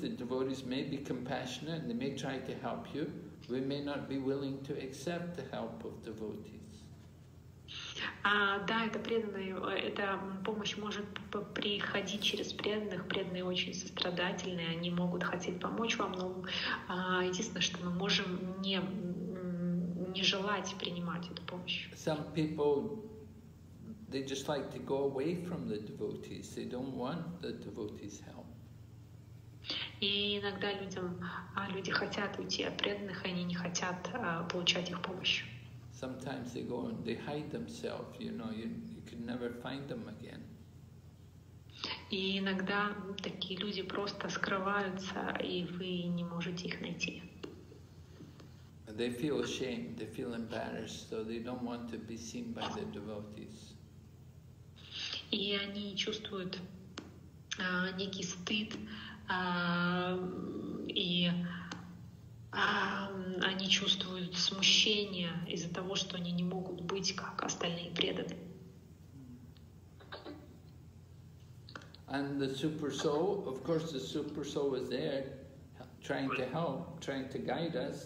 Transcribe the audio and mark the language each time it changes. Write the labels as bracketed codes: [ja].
[en] The devotees may be compassionate and they may try to help you. We may not be willing to accept the help of devotees. [ru] Да, это преданные, эта помощь может приходить через преданных. Преданные очень сострадательные, они могут хотеть помочь вам, но единственное, что мы можем не желать принимать эту помощь. [en] Some people, they just like to go away from the devotees. They don't want the devotees' help. [ru] И иногда люди хотят уйти от преданных, они не хотят получать их помощь. [en] Sometimes they go and they hide themselves, you know, you can never find them again. [ru] И иногда такие люди просто скрываются, и вы не можете их найти. [en] They feel ashamed, they feel embarrassed, so they don't want to be seen by the devotees. [ru] И они чувствуют некий стыд, они чувствуют смущение из-за того, что они не могут быть как остальные преданные. [en] And the super soul, of course, the super soul is there, trying to help, trying to guide us.